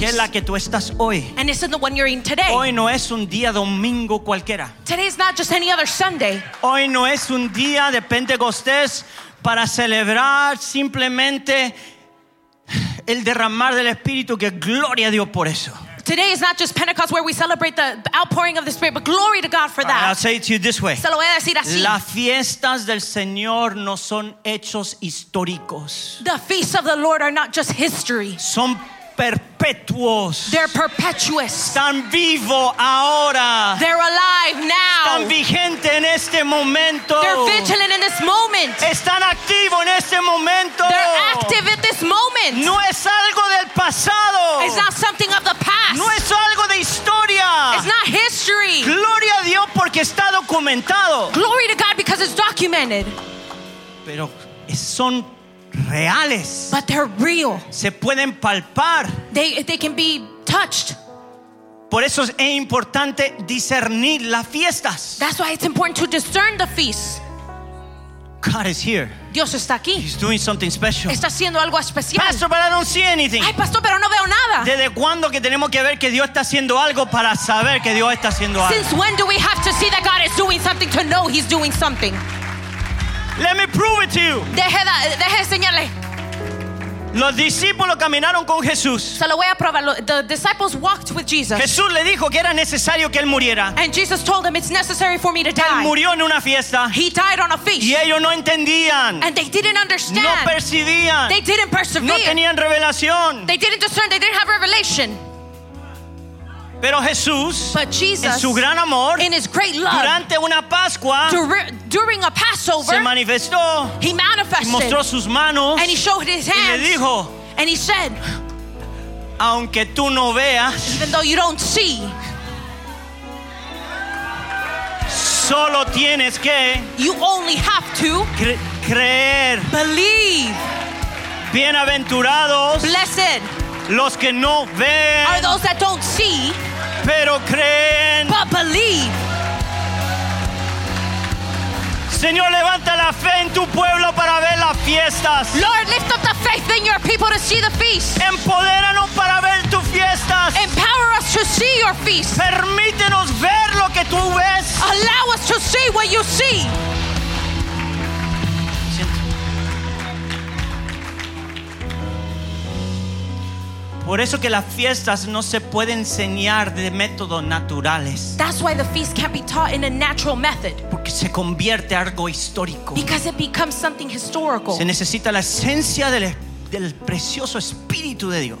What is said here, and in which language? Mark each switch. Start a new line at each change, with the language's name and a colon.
Spanish: Que es la que tú estás hoy.
English: And it's the one you're in today.
Spanish: Hoy no es un día domingo cualquiera.
English: Today is not just any other Sunday.
Spanish: Hoy no es un día de Pentecostés para celebrar simplemente el derramar del Espíritu, que gloria a Dios por eso.
English: Today is not just Pentecost where we celebrate the outpouring of the Spirit, but glory to God for that. I'll say it to you this way.
Spanish: Se lo voy a decir así. Las fiestas del Señor no son hechos históricos.
English: The feasts of the Lord are not just history.
Spanish: Son perpetuos.
English: They're perpetuous.
Spanish: Están vivos ahora.
English: They're alive now.
Spanish: Están vigentes en este momento.
English: They're vigilant in this moment.
Spanish: Están activos en este momento.
English: They're active at this moment.
Spanish: No es algo del pasado.
English: It's not something of the past.
Spanish: No es algo de historia.
English: It's not history.
Spanish: Gloria a Dios porque está documentado.
English: Glory to God because it's documented.
Spanish: Pero son reales.
English: But they're real.
Spanish: Se pueden palpar.
English: They can be touched.
Spanish: Por eso es importante discernir las fiestas.
English: That's why it's important to discern the feasts. God is here.
Spanish: Dios está aquí.
English: He's doing something special.
Spanish: Está haciendo algo especial.
English: Pastor, but I don't see anything.
Spanish: Ay, pastor, pero no veo nada. ¿Desde cuándo que tenemos que ver que Dios está haciendo algo para saber que Dios está haciendo algo?
English: Since when do we have to see that God is doing something to know He's doing something? Let me prove it to you.
Spanish: Deje enseñarle. Los discípulos caminaron con Jesús. Se lo voy a probar.
English: The disciples walked with Jesus.
Spanish: Jesús le dijo que era necesario que él muriera.
English: And Jesus told them it's necessary for me to die.
Spanish: Él murió en una fiesta.
English: He died on a feast.
Spanish: Y ellos no entendían.
English: And they didn't understand.
Spanish: No percibían.
English: They didn't persevere.
Spanish: No tenían revelación.
English: They didn't discern. They didn't have revelation.
Spanish: Pero Jesús,
English: but Jesus,
Spanish: en su gran amor,
English: in his great love,
Spanish: durante una Pascua,
English: during a Passover,
Spanish: se manifestó,
English: he manifested,
Spanish: y mostró sus manos,
English: and he showed his hands,
Spanish: y le dijo,
English: and he said,
Spanish: aunque tú no veas,
English: even though you don't see,
Spanish: solo tienes que,
English: you only have to
Spanish: creer,
English: believe.
Spanish: Bienaventurados,
English: blessed,
Spanish: los que no ven,
English: are those that don't see,
Spanish: pero creen,
English: but believe.
Spanish: Señor, levanta la fe en tu pueblo para ver las fiestas.
English: Lord, lift up the faith in your people to see the feast.
Spanish: Empodéranos para ver tus fiestas.
English: Empower us to see your feast.
Spanish: Permítenos ver lo que tú ves.
English: Allow us to see what you see.
Spanish: Por eso que las fiestas no se pueden enseñar de métodos naturales.
English: That's why the feast can't be taught in a natural method.
Spanish: Porque se convierte en algo histórico.
English: Because it becomes something historical.
Spanish: Se necesita la esencia del precioso Espíritu de Dios.